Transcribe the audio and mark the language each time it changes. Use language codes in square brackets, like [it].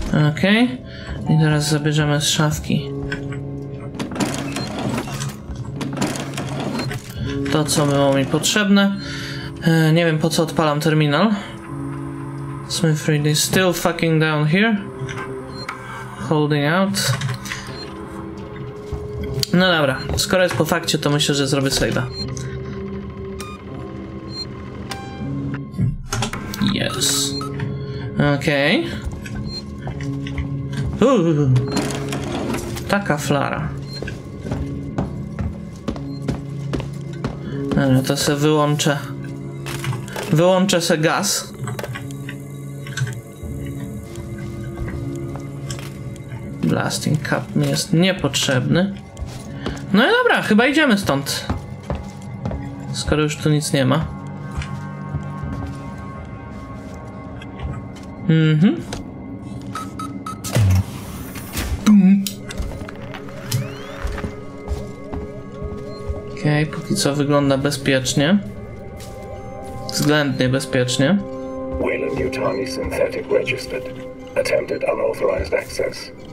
[pl] Okej. I teraz zabierzemy z szafki to, co było mi potrzebne. Nie wiem, po co odpalam terminal. [en] Smith Reed is still fucking down here. Holding out. [pl] No dobra, skoro jest po fakcie, to myślę, że zrobię save'a. [en] Yes. Okej. [pl] Okay. Taka flara. Dobra, to se wyłączę. Wyłączę se gaz. Blasting cap mi jest niepotrzebny. No i dobra, chyba idziemy stąd. Skoro już tu nic nie ma. Okej, póki co wygląda bezpiecznie. Względnie bezpiecznie. [en] When a Mutani synthetic registered, attempted unauthorized access.